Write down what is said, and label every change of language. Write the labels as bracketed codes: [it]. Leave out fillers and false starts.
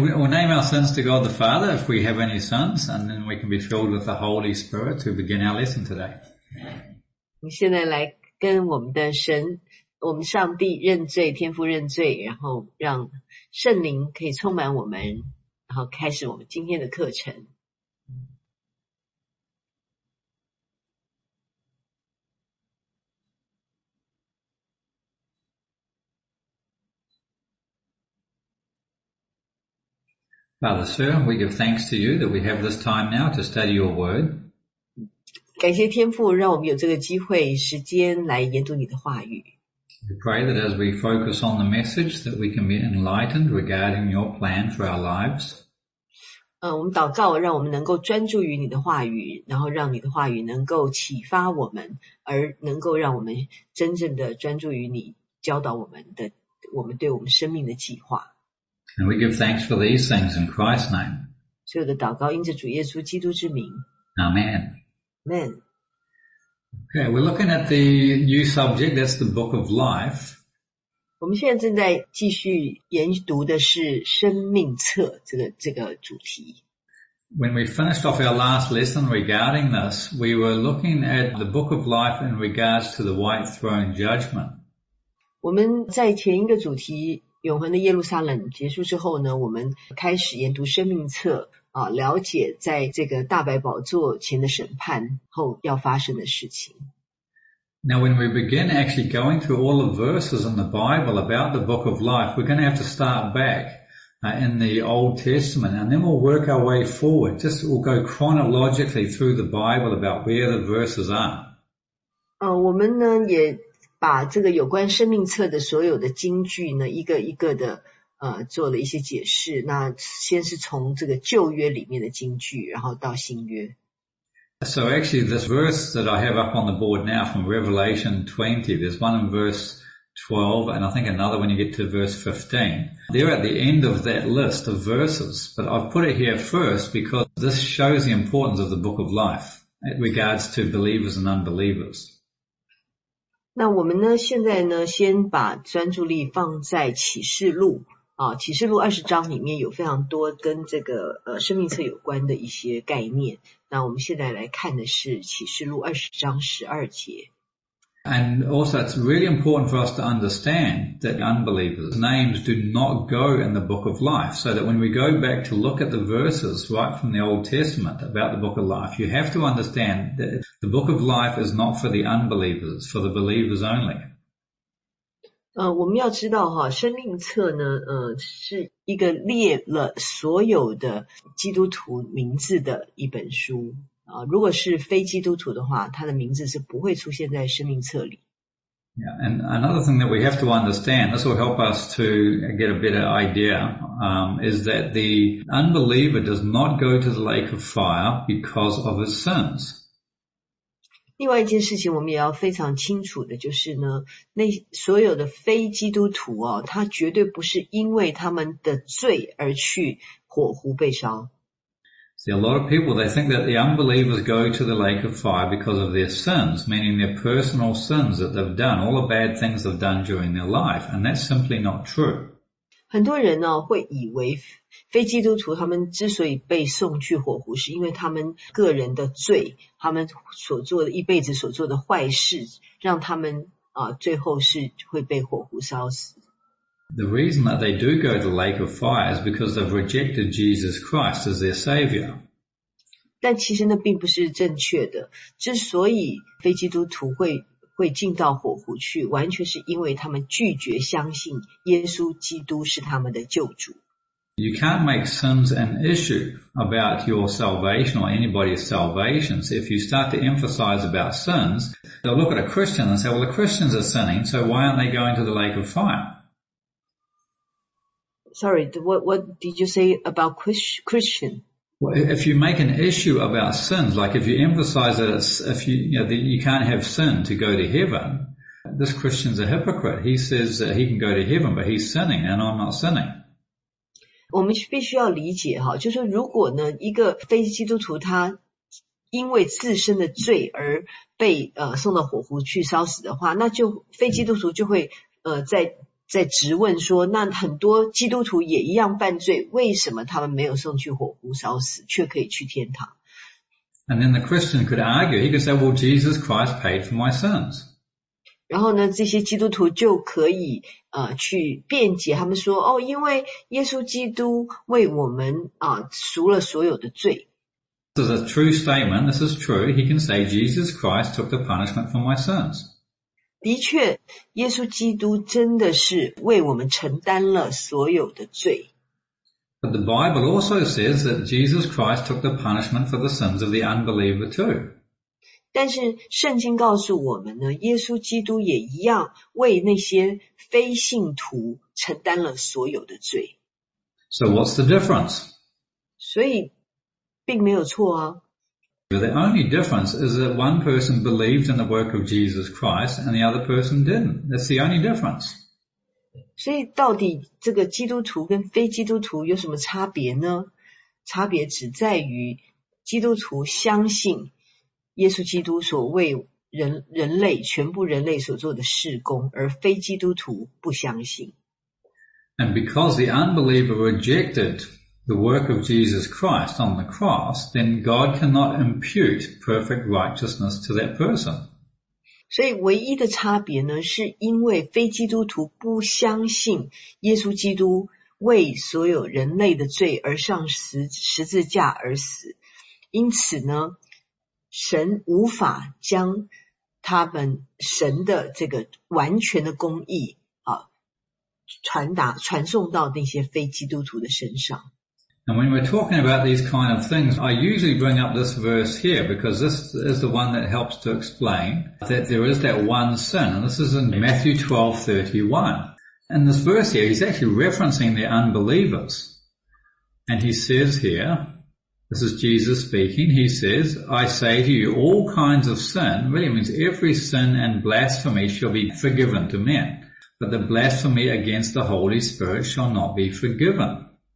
[en] We'll name our sins to God the Father if we have any sins, and then we can be filled with the Holy Spirit to begin our lesson today. [zh] 现在来跟我们的神，我们上帝认罪，天父认罪，然后让圣灵可以充满我们，然后开始我们今天的课程。 [en] Father, sir, we give thanks to you that we have this time now to study your word. [zh] 感谢天父让我们有这个机会时间来研读你的话语。 [en] We pray that as we focus on the message that we can be enlightened regarding your plan for our lives. [zh] 我们祷告让我们能够专注于你的话语，然后让你的话语能够启发我们，而能够让我们真正的专注于你教导我们的，我们对我们生命的计划。 [en] And we give thanks for these things in Christ's name. [zh] 所有的祷告因着主耶稣基督之名。 [en] Amen. Amen. Okay, we're looking at the new subject, that's the book of life. [zh] 我们现在正在继续研读的是生命册这个主题。 [en] When we finished off our last lesson regarding this, we were looking at the book of life in regards to the white throne judgment. [zh] 我们在前一个主题永恒的耶路撒冷结束之后呢，我们开始研读生命册啊，了解在这个大白宝座前的审判后要发生的事情。 [en] Now, when we begin actually going through all the verses in the Bible about the Book of Life, we're going to have to start back in the Old Testament, and then we'll work our way forward. Just we'll go chronologically through the Bible about where the verses are. [zh] 我们呢也把这个有关生命册的所有的经句呢一个一个的做了一些解释，那先是从这个旧约里面的经句然后到新约。 [en] So actually this verse that I have up on the board now from Revelation 20, there's one in verse 12 and I think another when you get to verse 15. They're at the end of that list of verses, but I've put it here first because this shows the importance of the book of life in regards to believers and unbelievers. [zh] 那我们呢现在呢先把专注力放在启示录啊，启示录20章里面有非常多跟这个生命册有关的一些概念，那我们现在来看的是启示录20章12节。 [en] And also it's really important for us to understand that unbelievers' names do not go in the book of life, so that when we go back to look at the verses right from the Old Testament about the book of life, you have to understand that the book of life is not for the unbelievers, for the believers only. [zh] 我们要知道哈，生命册呢，是一个列了所有的基督徒名字的一本书。如果是非基督徒的话，他的名字是不会出现在生命册里。 [en] Yeah, and another thing that we have to understand, this will help us to get a better idea, is that the unbeliever does not go to the lake of fire because of his sins. [zh] 另外一件事情我们也要非常清楚的就是呢，那所有的非基督徒哦，他绝对不是因为他们的罪而去火湖被烧。 [en] See, a lot of people, they think that the unbelievers go to the lake of fire because of their sins, meaning their personal sins that they've done, all the bad things they've done during their life, and that's simply not true. [zh] 很多人呢会以为非基督徒他们之所以被送去火湖是因为他们个人的罪，他们所做的一辈子所做的坏事让他们最后是会被火湖烧死。 [en] The reason that they do go to the lake of fire is because they've rejected Jesus Christ as their savior. [zh] 但其实那并不是正确的。之所以非基督徒会进到火湖去，完全是因为他们拒绝相信耶稣基督是他们的救主。 [en] You can't make sins an issue about your salvation or anybody's salvation. So if you start to emphasize about sins, they'll look at a Christian and say, well, the Christians are sinning, so why aren't they going to the lake of fire? Sorry, what did you say about Christian? Well, if you make an issue about sins, like if you emphasize that you can't have sin to go to heaven, this Christian's a hypocrite. He says that he can go to heaven, but he's sinning and I'm not sinning. [zh] 我们必须要理解哈，就是如果呢一个非基督徒他因为自身的罪而被送到火湖去烧死的话，那就非基督徒就会在在质问说，那很多基督徒也一样犯罪，为什么他们没有送去火湖烧死，却可以去天堂？ [en] And then the Christian could argue, he could say, well, Jesus Christ paid for my sins. [zh] 然后呢，这些基督徒就可以去辩解，他们说，哦，因为耶稣基督为我们赎了所有的罪。 [en] This is a true statement, this is true, he can say, Jesus Christ took the punishment for my sins. [zh] 的确，耶稣基督真的是为我们承担了所有的罪。 [en] But the Bible also says that Jesus Christ took the punishment for the sins of the unbeliever too. [zh] 但是圣经告诉我们呢，耶稣基督也一样为那些非信徒承担了所有的罪。 [en] So what's the difference? [zh] 所以并没有错啊。 [en] The only difference is that one person believed in the work of Jesus Christ and the other person didn't. That's the only difference. [zh] 所以到底这个基督徒跟非基督徒有什么差别呢？差别只在于基督徒相信耶稣基督所为人类全部人类所做的事工，而非基督徒不相信。 [en] And because the unbeliever rejected the work of Jesus Christ on the cross, then God cannot impute perfect righteousness to that person. [zh] 所以唯一的差别呢，是因为非基督徒不相信耶稣基督为所有人类的罪而上十字架而死，因此呢，神无法将他们神的这个完全的公义传送到那些非基督徒的身上。 [en] And when we're talking about these kind of things, I usually bring up this verse here because this is the one that helps to explain that there is that one sin. And this is in Matthew 12:31. In this verse here, he's actually referencing the unbelievers. And he says here, this is Jesus speaking, he says, I say to you, all kinds of sin, really means every sin and blasphemy shall be forgiven to men, but the blasphemy against the Holy Spirit shall not be forgiven.